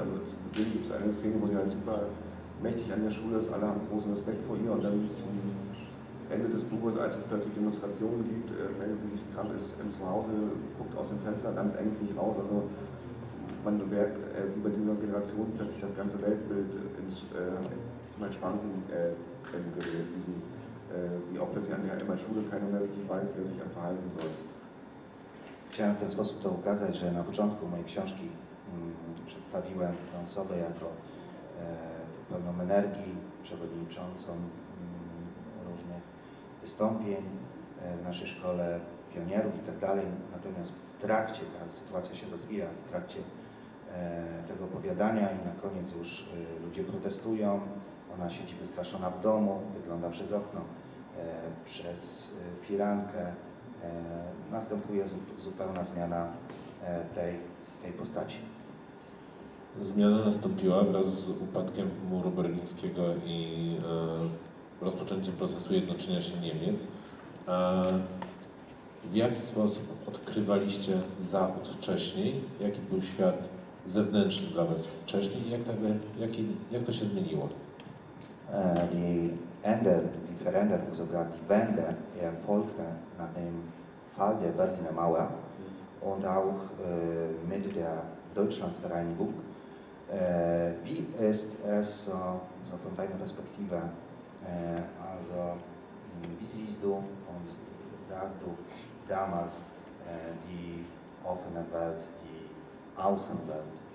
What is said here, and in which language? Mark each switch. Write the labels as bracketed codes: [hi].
[de] Also zu Beginn gibt es eine Szene, wo sie halt super mächtig an der Schule ist, alle haben großen Respekt vor ihr, und dann zum Ende des Buches, als es plötzlich Demonstrationen gibt, meldet sie sich krank, ist im Zuhause, guckt aus dem Fenster ganz ängstlich raus. Also man merkt über diese Generation plötzlich das ganze Weltbild ins Schwanken gerät, wie auch plötzlich an der Schule keiner mehr richtig weiß, wie er sich verhalten soll. [pl] Chciałem w ten sposób to ukazać, że na początku mojej książki przedstawiłem tę osobę jako pełną energii, przewodniczącą różnych wystąpień w naszej szkole, pionierów i tak dalej. Natomiast w trakcie, ta sytuacja się rozwija, w trakcie tego opowiadania i na koniec już ludzie protestują, ona siedzi wystraszona w domu, wygląda przez okno, przez firankę. Następuje zupełna zmiana tej postaci. Zmiana nastąpiła wraz z upadkiem muru berlińskiego i rozpoczęciem procesu jednoczenia się Niemiec. W jaki sposób odkrywaliście Zachód wcześniej? Jaki był świat zewnętrzny dla was wcześniej? Jak to się zmieniło? [de] Die Veränderung, sogar die Wende, erfolgte nach dem Fall der Berliner Mauer und auch mit der Deutschlandsvereinigung. Wie ist es so von deiner Perspektive, also wie siehst du und sahst du damals die offene Welt, die Außenwelt?